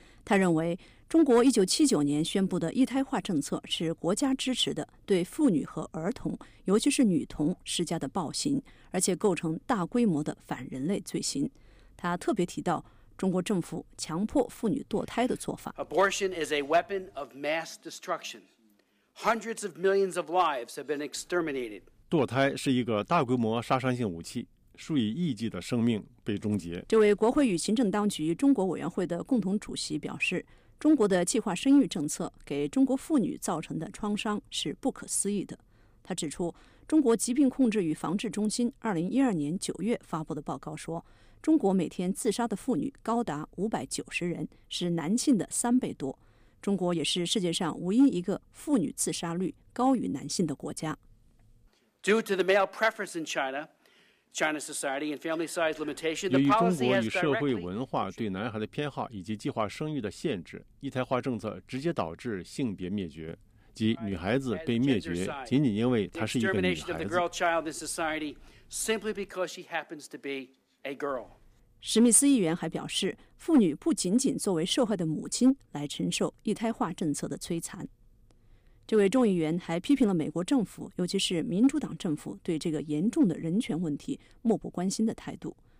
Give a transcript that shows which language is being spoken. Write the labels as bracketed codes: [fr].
[zh] 他认为，中国1979年宣布的一胎化政策是国家支持的对妇女和儿童，尤其是女童施加的暴行，而且构成大规模的反人类罪行。他特别提到中国政府强迫妇女堕胎的做法。 [en] Abortion is a weapon of mass destruction. Hundreds of millions of lives have been exterminated. [zh] 堕胎是一个大规模杀伤性武器，数以亿计的生命被终结。这位国会与行政当局中国委员会的共同主席表示，中国的计划生育政策给中国妇女造成的创伤是不可思议的。他指出，中国疾病控制与防治中心2012年9月发布的报告说，中国每天自杀的妇女高达590人，是男性的3倍多。中国也是世界上唯一一个妇女自杀率高于男性的国家。 [en] Due to the male preference in China, China's society and family size limitation, the policy has directly. [zh] 由于中国与社会文化对男孩的偏好以及计划生育的限制，一胎化政策直接导致性别灭绝，即女孩子被灭绝，仅仅因为她是一个女孩子。 [en] Extermination of the girl child in society simply because she happens to be. A girl. [zh] 史密斯议员还表示，妇女不仅仅作为受害的母亲来承受一胎化政策的摧残。这位众议员还批评了美国政府，尤其是民主党政府对这个严重的人权问题漠不关心的态度。